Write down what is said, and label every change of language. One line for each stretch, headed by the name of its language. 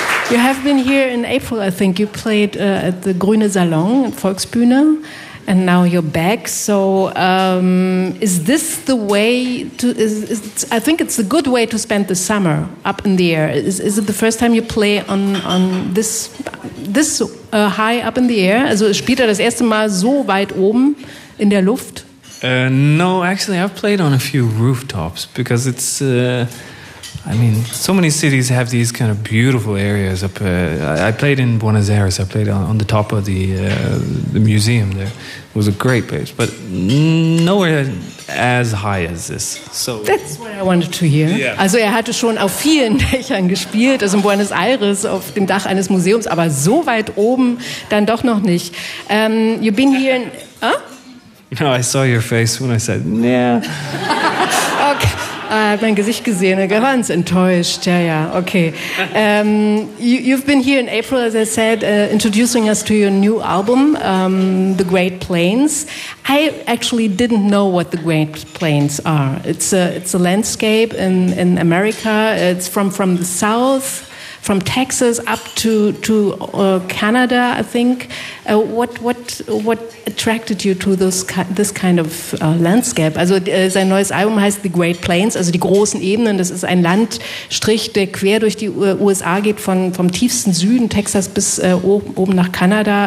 English: You have been here in April, I think. You played at the Grüne Salon, Volksbühne, and now you're back. So is this the way to... I think it's a good way to spend the summer up in the air. Is it the first time you play on this high up in the air?
German: Also spielt das erste Mal so weit oben in der Luft?
English: No, actually, I've played on a few rooftops because it's... I mean, so many cities have these kind of beautiful areas up. I played in Buenos Aires. I played on the top of the museum there. It was a great place, but nowhere as high as this. So that's what I wanted to hear. Yeah.
German: Also, hatte schon auf vielen Dächern gespielt, also in Buenos Aires, auf dem Dach eines Museums, aber so weit oben dann doch noch nicht.
English: You've been here in... Huh? No, I saw your face when I said, yeah. Okay.
German: Ah, hat mein Gesicht gesehen, ganz enttäuscht, ja, okay.
English: You've been here in April, as I said, introducing us to your new album, The Great Plains. I actually didn't know what The Great Plains are. It's a landscape in America. It's from the south, from Texas up to Canada, I think. What attracted you to this kind of landscape?
German: Also sein neues Album heißt The Great Plains, also die großen Ebenen. Das ist ein Landstrich, der quer durch die USA geht, vom tiefsten Süden Texas bis oben nach Kanada.